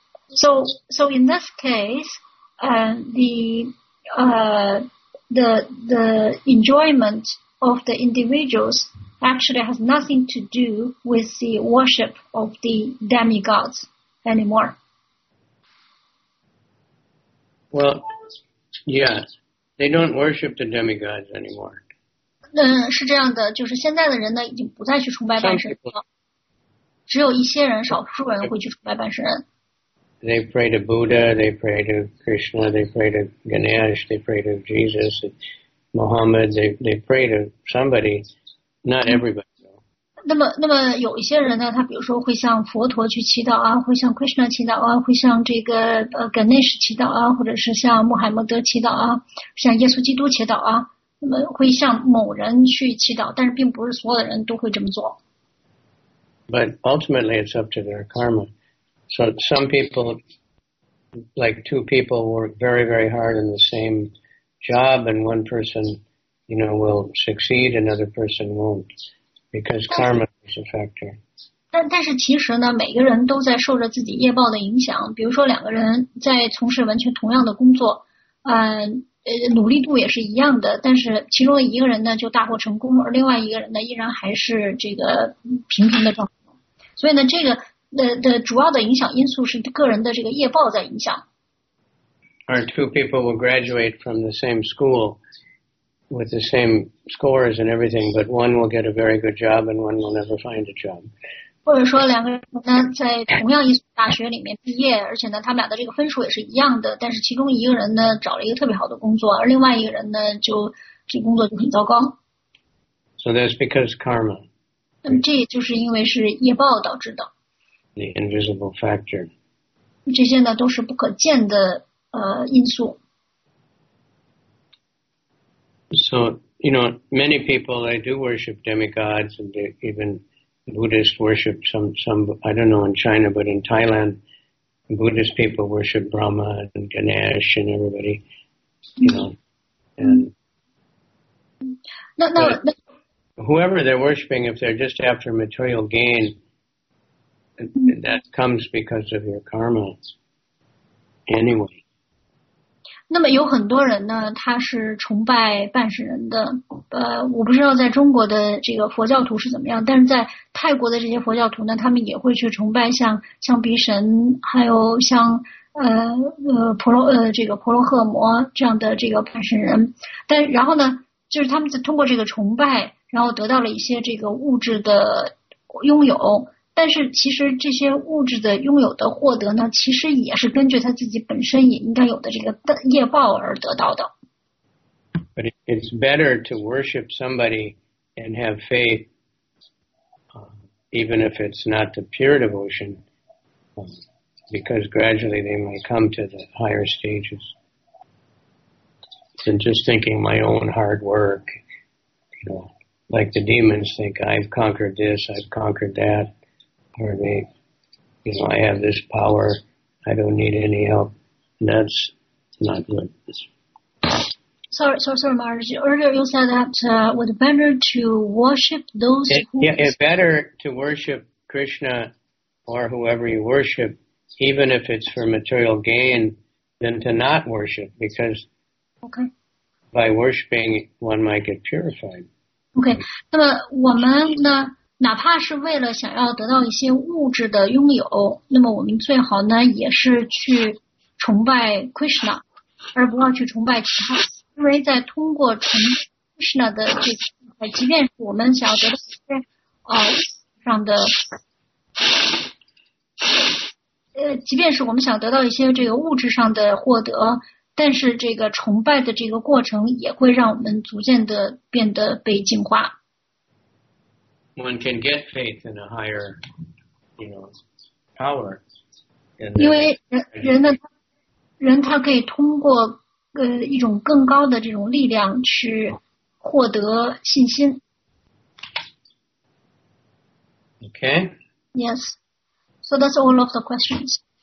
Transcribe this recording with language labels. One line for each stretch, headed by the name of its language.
English: So in this case, the enjoyment of the individuals actually has nothing to do with the worship of the demigods anymore. Well, yeah, they don't worship the demigods anymore.
Chinese: 是这样的，就是现在的人呢，已经不再去崇拜半神了。只有一些人，少数人会去崇拜半神人。
English: They pray to Buddha, they pray to Krishna, they pray to Ganesh, they pray to Jesus, Muhammad. They pray to somebody, not everybody.
Chinese: 那么有一些人呢，他比如说会向佛陀去祈祷啊，会向 Krishna 祈祷啊，会向这个Ganesh 祈祷啊，或者是向穆罕默德祈祷啊，向耶稣基督祈祷啊。会向某人去祈祷，但是并不是所有的人都会这么做。
English: But ultimately, it's up to their karma. So some people, like two people, work very, very hard in the same job, and one person, you know, will succeed, another person won't, because karma is a factor.
Chinese: 但是其实呢，每个人都在受着自己业报的影响。比如说，两个人在从事完全同样的工作，努力度也是一样的，但是其中一个人呢就大获成功，而另外一个人呢依然还是这个平平的状况。所以呢，这个的主要的影响因素是个人的这个业报在影响。
English: Or two people will graduate from the same school with the same scores and everything, but one will get a very good job and one will never find a job.
Chinese: 或者说两个人呢在同样一所大学里面毕业，而且呢他们俩的这个分数也是一样的，但是其中一个人呢找了一个特别好的工作，而另外一个人呢就这工作就很糟糕。
English: So that's because karma.
Chinese: 那么这就是因为是业报导致的。
English: The invisible factor.
Chinese: 这些呢都是不可见的因素。
English: So, you know, many people, they do worship demigods and they even...Buddhist worship, I don't know in China, but in Thailand, Buddhist people worship Brahma and Ganesh and everybody, you know. And whoever they're worshiping, if they're just after material gain, that comes because of your karma anyway.
Chinese: 那么有很多人呢，他是崇拜半神人的。我不知道在中国的这个佛教徒是怎么样，但是在泰国的这些佛教徒呢，他们也会去崇拜像毗神，还有像婆罗诃摩这样的这个半神人。但然后呢，就是他们通过这个崇拜，然后得到了一些这个物质的拥有。但是其实这些物质的拥有的获得呢，其实也是根据他自己本身也应该有的这个业报而得到的。
English: But it's better to worship somebody and have faith, even if it's not the pure devotion, because gradually they might come to the higher stages than just thinking my own hard work, you know, like the demons think I've conquered this, I've conquered that. Or they, you know, I have this power, I don't need any help. That's not good. Sorry, Maharaj. Earlier you said that would be better to worship those It's better to worship Krishna or whoever you worship, even if it's for material gain, than to not worship, because by worshiping, one might get purified. Okay, so we...
Chinese: 哪怕是为了想要得到一些物质的拥有，那么我们最好呢也是去崇拜 Krishna， 而不要去崇拜其他。因为在通过崇拜 Krishna 的这个，即便是我们想要得到一些即便是我们想得到一些这个物质上的获得，但是这个崇拜的这个过程也会让我们逐渐的变得被净化。
English: One can get faith in a higher, you know, power.
Chinese: 因为人他可以通过一种更高的这种力量去获得信心。
English: Okay. Yes. So that's all of the questions.